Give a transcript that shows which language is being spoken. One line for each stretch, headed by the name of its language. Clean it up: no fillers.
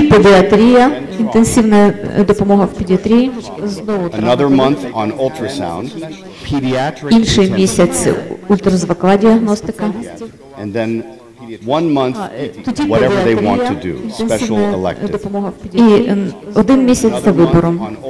Ukrainian: педіатрія, інтенсивна допомога в педіатрії, знову травматологія. Інший місяць ультразвукова діагностика.
English: And then 1 month, whatever they want to do, special elective.
Ukrainian: І один місяць за вибором.